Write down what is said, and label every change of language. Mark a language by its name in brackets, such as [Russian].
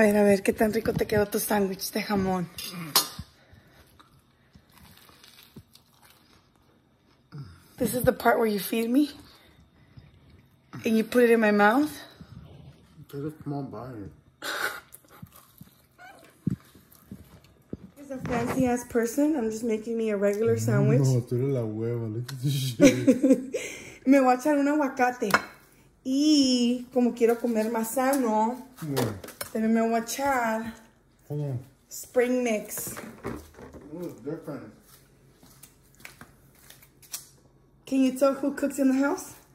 [Spanish] A ver, ¿qué tan rico te quedó tu sándwich de jamón? [English] This is the part where you feed me and you put it in my mouth. Take a small bite. As a fancy ass person, I'm just making me a regular sandwich. [Spanish] No, tú eres la hueva. [English] Look at this shit. [Spanish] Me voy a echar un aguacate. Y como quiero comer más sano, también me voy a echar spring mix. [English] It looks different. Can you tell who cooks in the house?